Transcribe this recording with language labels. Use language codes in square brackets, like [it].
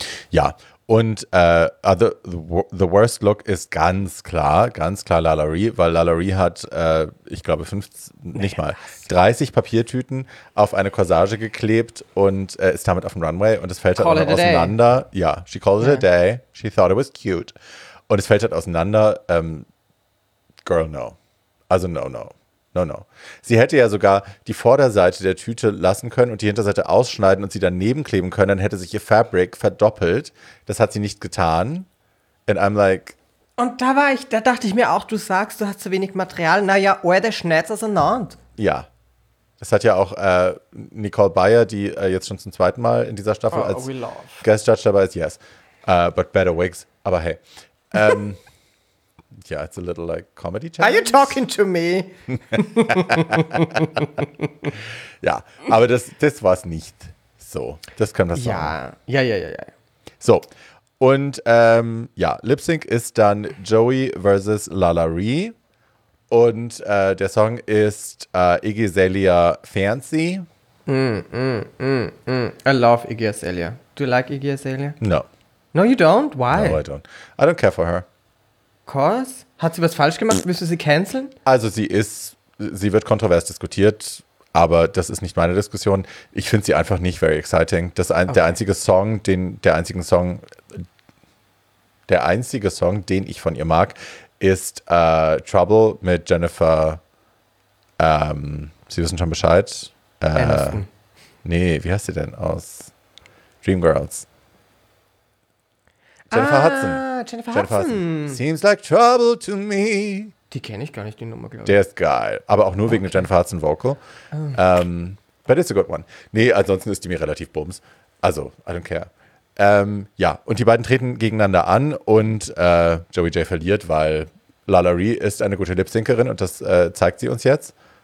[de] Ja, und the worst look ist ganz klar Lalari, weil Lalari hat, ich glaube, 30 Papiertüten auf eine Corsage geklebt und ist damit auf dem Runway und es fällt halt dann auseinander. [en] Ja, she called it a day, she thought it was cute. [de] Und es fällt halt auseinander, girl, no. [en] Also no, no, no, no. [de] Sie hätte ja sogar die Vorderseite der Tüte lassen können und die Hinterseite ausschneiden und sie daneben kleben können, dann hätte sich ihr Fabric verdoppelt. Das hat sie nicht getan. [en] And I'm like... [de] Und da war ich, da dachte ich mir auch, du sagst, du hast zu wenig Material. Naja, where the schnitz as a nant. Ja. Es hat ja auch Nicole Bayer, die jetzt schon zum zweiten Mal in dieser Staffel als Guest Judge dabei ist, yes. [en] But better wigs. [de] Aber hey. [en] Yeah, it's a little like comedy challenge. Are you talking to me? [de] Ja, aber das war es nicht so. Das kann man sagen. Ja, ja, ja, ja, ja. So. Und ja, Lip Sync ist dann Joey versus Lalari. Und der Song ist Iggy Azalea Fancy. [en] I love Iggy Azalea. Do you like Iggy Azalea? No. No, you don't? Why? No, I don't. I don't care for her. Course? [de] Hat sie was falsch gemacht? Willst du sie canceln? Also sie wird kontrovers diskutiert, aber das ist nicht meine Diskussion. Ich finde sie einfach nicht very exciting. Der einzige Song, den ich von ihr mag, ist Trouble mit Jennifer, Sie wissen schon Bescheid. Wie heißt sie denn aus Dreamgirls? Jennifer Hudson. Jennifer Hudson. [en] Seems like trouble to me. [de] Die kenne ich gar nicht, die Nummer, glaube ich. Der ist geil, aber auch nur wegen der Jennifer Hudson Vocal. [en] But it's a good one. [de] Nee, ansonsten ist die mir relativ bums. Also, [en] I don't care. [de] Ja, und die beiden treten gegeneinander an und Joey J verliert, weil Lalari ist eine gute Lip-Syncerin und das zeigt sie uns jetzt.